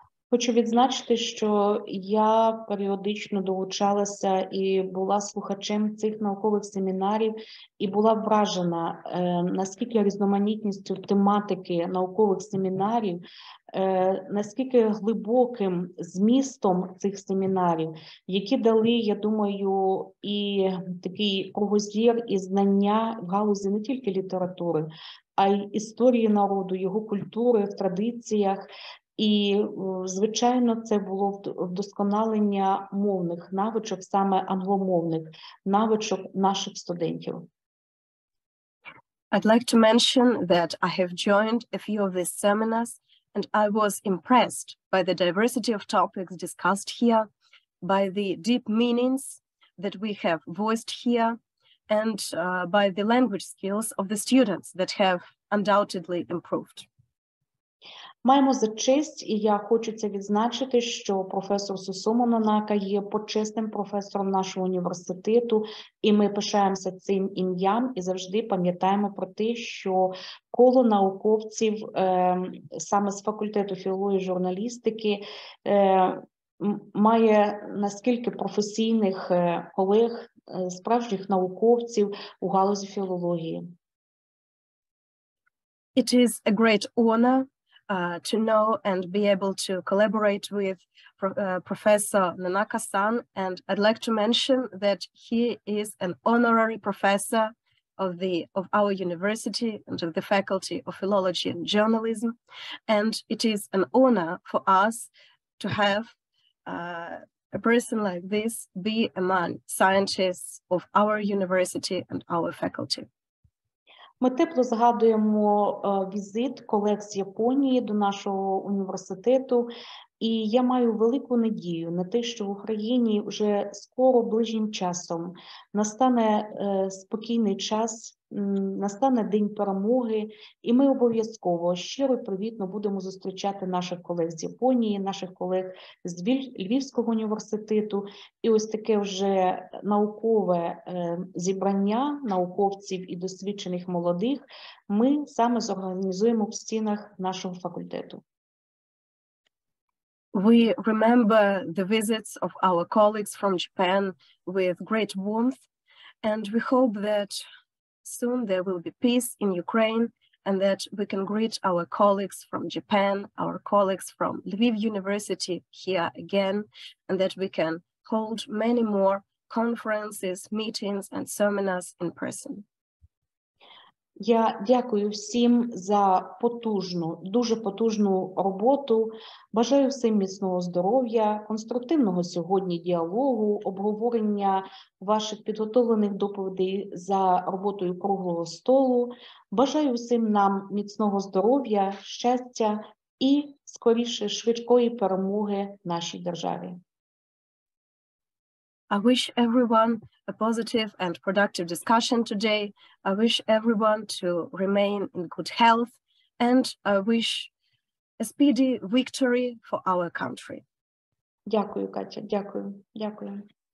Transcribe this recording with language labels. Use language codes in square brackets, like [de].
[uk] Хочу відзначити, що я періодично долучалася і була слухачем цих наукових семінарів і була вражена, наскільки різноманітністю тематики наукових семінарів, наскільки глибоким змістом цих семінарів, які дали, я думаю, і такий кругозір і знання в галузі не тільки літератури, а й історії народу, його культури, в традиціях. І, звичайно, це було вдосконалення мовних навичок, саме англомовних навичок наших студентів. [en] I'd like to mention that I have joined a few of these seminars and I was impressed by the diversity of topics discussed here, by the deep meanings that we have voiced here, and by the language skills of the students that have undoubtedly improved. [uk] Маємо за честь, і я хочу це відзначити, що професор Сусума Нанака є почесним професором нашого університету, і ми пишаємося цим ім'ям і завжди пам'ятаємо про те, що коло науковців саме з факультету філології і журналістики має наскільки професійних колег, справжніх науковців у галузі філології. [en] It is a great honor to know and be able to collaborate with Professor Nanaka-san. And I'd like to mention that he is an honorary professor of our university and of the Faculty of Philology and Journalism. And it is an honor for us to have a person like this be among scientists of our university and our faculty. [uk] Ми тепло згадуємо візит колег з Японії до нашого університету, і я маю велику надію на те, що в Україні вже скоро ближнім часом настане спокійний час, настане День перемоги, і ми обов'язково щиро і привітно будемо зустрічати наших колег з Японії, наших колег з Львівського університету. І ось таке вже наукове зібрання науковців і досвідчених молодих ми саме зорганізуємо в стінах нашого факультету. [en] We remember the visits of our colleagues from Japan with great warmth, and we hope that soon there will be peace in Ukraine and that we can greet our colleagues from Japan, our colleagues from Lviv University here again, and that we can hold many more conferences, meetings, and seminars in person. [uk] Я дякую всім за потужну, дуже потужну роботу. Бажаю всім міцного здоров'я, конструктивного сьогодні діалогу, обговорення ваших підготовлених доповідей за роботою круглого столу. Бажаю всім нам міцного здоров'я, щастя і, скоріше, швидкої перемоги нашій державі. [en] I wish everyone a positive and productive discussion today. I wish everyone to remain in good health, and I wish a speedy victory for our country. [uk] Дякую, Катя. Дякую. Дякую.